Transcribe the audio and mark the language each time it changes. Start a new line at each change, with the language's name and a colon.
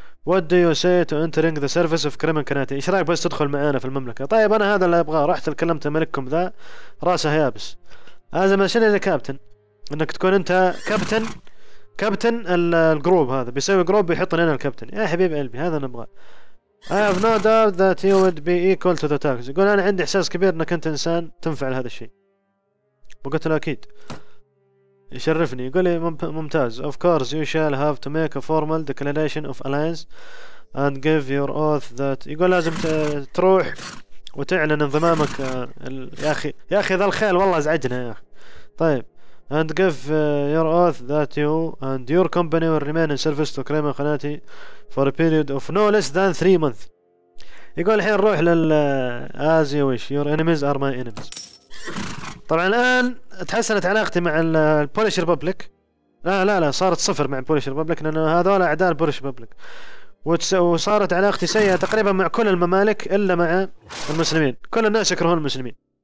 English: What do you say to entering the service of Kremen Khanate؟
Arabic: ايش رايك بس تدخل معانا في المملكة؟ طيب انا هذا اللي ابغاه، رحت تكلمت ملككم ذا راسه يابس، هذا mercenary captain، انك تكون انت كابتن الجروب هذا، بيسوي جروب بيحطني انا الكابتن. يا حبيب قلبي هذا انا ابغاه.
English: I have no doubt that you would be equal to the task.
Arabic: يقول أنا عندي إحساس كبير أنك أنت إنسان تنفع لهذا الشيء. وقلت له أكيد. يشرفني. يقول لي ممتاز.
English: Of course you shall have to make a formal declaration of alliance and give your oath that.
Arabic: يقول لازم تروح وتعلن انضمامك. يا أخي ذا الخيل والله أزعجنا يا أخي. طيب.
English: And give your oath that you and your company will remain in service to Kremen Khanate for a period of no less than 3 months.
Arabic: يقول الحين روح للآزيا ويش
English: your enemies are my enemies.
Arabic: طبعا الآن تحسنت علاقتي مع البوليش ريبوبليك. لا صارت صفر مع البوليش ريبوبليك، لأن هذول أعداء البوليش ريبوبليك. وصارت علاقتي سيئة تقريبا مع كل الممالك إلا مع المسلمين، كل الناس يكرهون المسلمين.